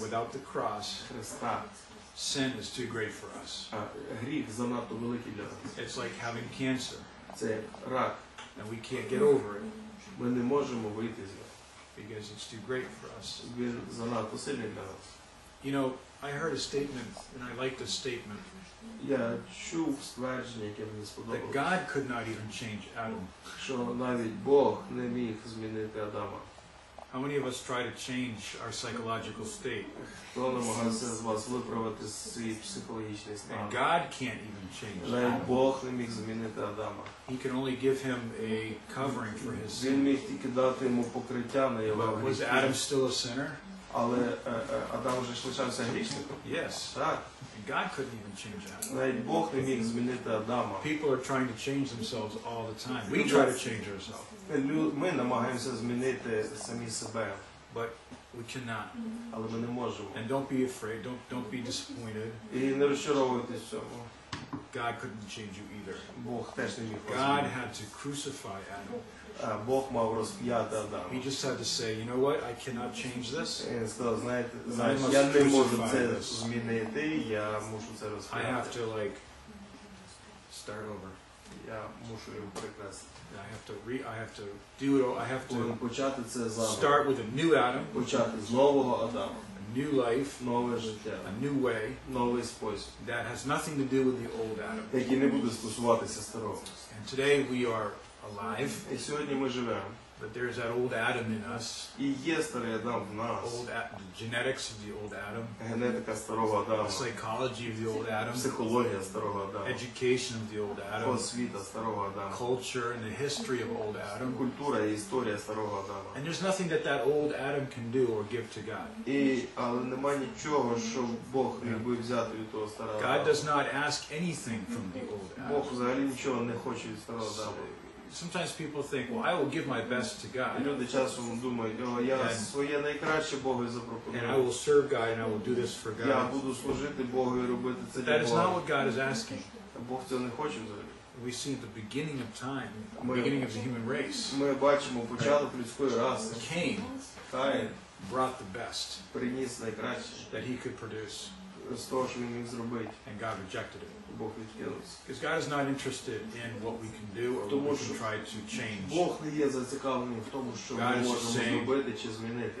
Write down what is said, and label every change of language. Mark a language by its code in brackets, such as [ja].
[en] without the cross, [uk] Христа, [en] sin is too great for us. [uk] Гріх занадто великий для нас. [en] It's like having cancer. [uk] Це рак. [en] And we can't get over it. [uk] Ми не можемо вийти з нього. [en] Because it's too great for us. [uk] Він занадто сильний для нас. [en] You know, I heard a statement, and I liked the statement. [uk] Я чув ствердження, яке мені сподобалося. [en] That God could not even change Adam. [uk] Що навіть Бог не міг змінити Адама. [en] How many of us try to change our psychological state? [uk] Хто намагався з вас виправити свій психологічний стан? [en] And God can't even change Adam. [uk] Навіть Бог не міг змінити Адама. [en] He can only give him a covering for his sin. [uk] Він міг тільки дати йому покриття на його гріхи. [en] Was Adam still a sinner? [uk] Але Адам вже залишався грішником. [en] Yes. [uk] Так. [en] God couldn't even change Adam. [uk] Навіть Бог не міг змінити Адама. [en] People are trying to change themselves all the time. We try to change ourselves. [uk] Ми намагаємося змінити самі себе. [en] But we cannot. [uk] Але ми не можемо. [en] And don't be afraid. Don't be disappointed. [uk] І не розчаровуйтесь в цьому. [en] God couldn't change you either. [uk] Бог теж не міг. [en] God had to crucify Adam. [uk] Бог мав розп'яти Адама. [en] He just had to say, you know what, I cannot change this. [uk] Він сказав, знаєте, я не можу це змінити, я мушу це розп'яти. [en] I have to, like, start over. [uk] Я мушу його прикрасити. [en] I have to [uk] почати це заново. [en] Start with a new Adam. [uk] Почати з нового Адама. [en] A new life. [uk] Нове життя. [en] A new way. [uk] Новий спосіб. [en] That has nothing to do with the old Adam. [uk] Який не буде стосуватися старого. [en] And today we are alive. [uk] І сьогодні ми живемо. [en] But there is that old Adam in us. [uk] І є старий Адам в нас. [en] The genetics of the old Adam. [uk] Генетика старого Адама. [en] The psychology of the old Adam. [uk] Психологія старого Адама. [en] Education of the old Adam. [uk] Освіта старого Адама. [en] Culture and the history of old Adam. [uk] Культура і історія старого Адама. [en] And there's nothing that that old Adam can do or give to God. [uk] І але немає нічого, що Бог міг би взяти від того старого Адама. [en] God does not ask anything from the old Adam. [uk] Бог взагалі нічого не хоче від старого Адама. [en] Sometimes people think, well, I will give my best to God. [uk] Ну, до часу думають, о, я своє найкраще Богу запропоную. [en] And I will serve God and I will do this for God. [uk] Я буду служити Богу і робити це для Бога. [en] That is not what God is asking. [uk] Бог цього не хоче зробити. [en] We see the beginning of time, the beginning of the human race. [uk] Ми бачимо початок людської раси. [en] Cain. [uk] Каїн. [en] Brought the best. [uk] Приніс найкраще. [en] That he could produce. [uk] З того, що він міг зробити. [en] And God rejected it. [uk] Бог відкинувся. [en] Because God is not interested in what we can do or what we can try to change. [uk] Бог не є зацікавлений в тому, що ми можемо зробити чи змінити.